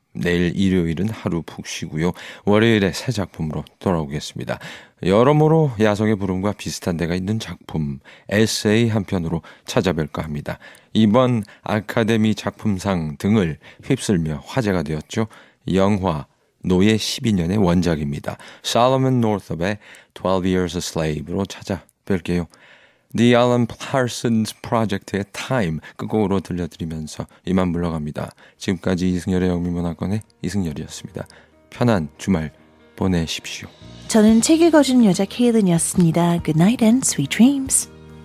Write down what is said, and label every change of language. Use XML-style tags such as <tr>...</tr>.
<ko>내일 일요일은 하루 푹 쉬고요. 월요일에 새 작품으로 돌아오겠습니다. 여러모로 야성의 부름과 비슷한 데가 있는 작품, 에세이 한 편으로 찾아뵐까 합니다. 이번 아카데미 작품상 등을 휩쓸며 화제가 되었죠. 영화 노예 12년의 원작입니다. Solomon Northup의 12 Years a Slave로 찾아뵐게요. The Alan Parsons Project의 Time 끝곡으로 들려드리면서 이만 물러갑니다. 지금까지 이승열의 영미문학관의 이승열이었습니다. 편한 주말 보내십시오. 저는 책 읽어주는 여자 케일린이었습니다.</ko> <en>Good night and sweet dreams.</en>